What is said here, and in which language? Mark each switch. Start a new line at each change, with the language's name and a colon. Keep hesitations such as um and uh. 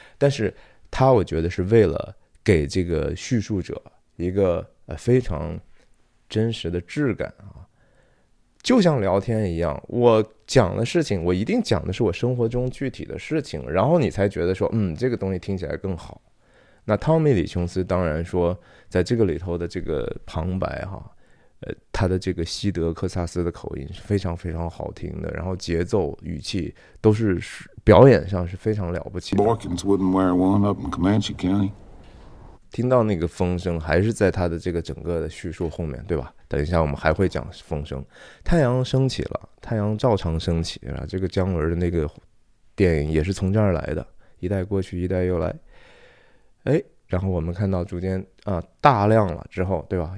Chinese: 但是他我觉得是为了给这个叙述者一个呃非常真实的质感啊，就像聊天一样，我讲的事情，我一定讲的是我生活中具体的事情，然后你才觉得说，嗯，这个东西听起来更好。那汤米·李·琼斯当然说，在这个里头的这个旁白哈，呃，他的这个西德克萨斯的口音是非常非常好听的，然后节奏、语气都是表演上是非常了不起。
English: Borkins wouldn't wear one up in Comanche County。
Chinese: 听到那个风声，还是在他的这个整个的叙述后面对吧？等一下，我们还会讲风声。太阳升起了，太阳照常升起。这个姜文的那个电影也是从这儿来的，一代过去，一代又来。哎，然后我们看到逐渐啊、呃、大量了之后，对吧？